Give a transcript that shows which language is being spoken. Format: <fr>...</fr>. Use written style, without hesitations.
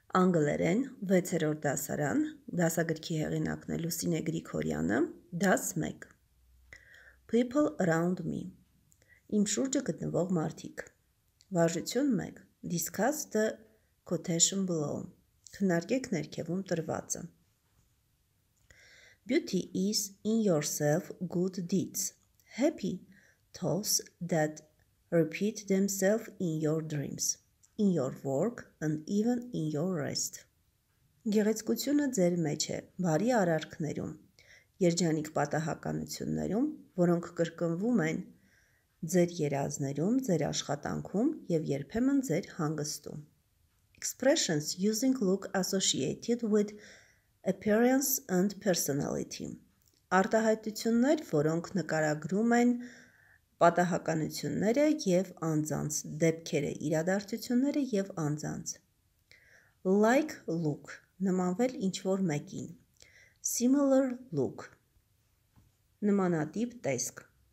<hy>Անգլերեն 6-րդ դասարան, դասագրքի հեղինակն է Լուսինե Գրիգորյանը, դաս 1.</hy> <en>People around me.</en> <hy>Իմ շուրջը գտնվող մարդիկ. Վարժություն 1.</hy> <en>Discuss the quotation below.</en> <hy>Քննարկեք ներքևում տրվածը.</hy> <en>Beauty is in yourself good deeds. Happy thoughts that repeat themselves in your dreams. In your work and even in your rest.</en> <hy>Գեղեցկությունը ձեր մեջ է, բարի արարքներում, երջանիկ պատահականություններում, որոնք կրկնվում են ձեր երազներում, ձեր աշխատանքում և երբեմն ձեր հանգստում.</hy> <en>Expressions using look associated with appearance and personality.</en> <hy>Արտահայտություններ, որոնք նկարագրում են պատահականությունները և անձանց, դեպքերը, իրադարձությունները և անձանց.</hy> <en>Like look,</en> <hy>նմանվել ինչ-որ մեկին.</hy> <en>Similar look,</en> <hy>նմանատիպ տեսք.</hy>